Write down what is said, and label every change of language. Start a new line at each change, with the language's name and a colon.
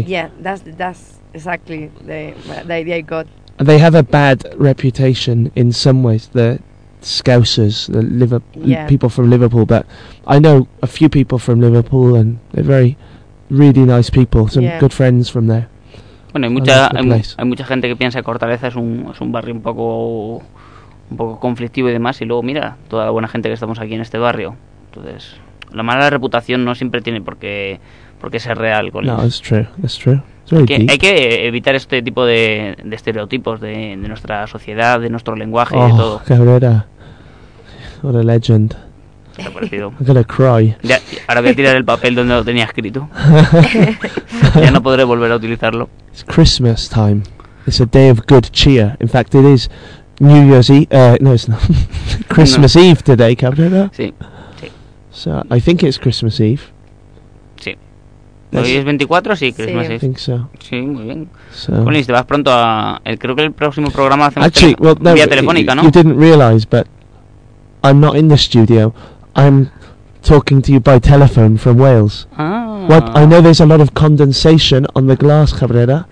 English: Yeah, that's exactly the idea I got. And they have a bad reputation in some ways. The Scousers, the people from Liverpool, but I know a few people from Liverpool and they're very really nice people, good friends from there.
Spanish: Bueno, hay mucha gente que piensa que Hortaleza es un barrio un poco conflictivo y demás, y luego mira toda la buena gente que estamos aquí en este barrio. Entonces, la mala reputación no siempre tiene por qué ser real.
English: No, it's true.
Spanish: Hay que evitar este tipo de estereotipos de nuestra sociedad, de nuestro lenguaje, de todo.
English: Cabrera, what a legend.
Spanish: ¿Te ha parecido?
English: I'm gonna cry.
Spanish: Ya, ahora voy a tirar el papel donde lo tenía escrito. Ya no podré volver a utilizarlo.
English: It's Christmas time. It's a day of good cheer. In fact, it is New Year's Eve. No, it's not. Christmas no. Eve today, Cabrera.
Spanish: Sí.
English: So I think it's Christmas Eve.
Spanish: ¿Hoy es 24? Sí, Christmas
English: Eve. I think so.
Spanish: Sí, muy bien. So. Bueno, y te vas pronto a... creo que el próximo programa lo hacemos vía telefónica, ¿no?
English: You didn't realize, but I'm not in the studio. I'm talking to you by telephone from Wales. Ah. What? I know there's a lot of condensation on the glass, Cabrera.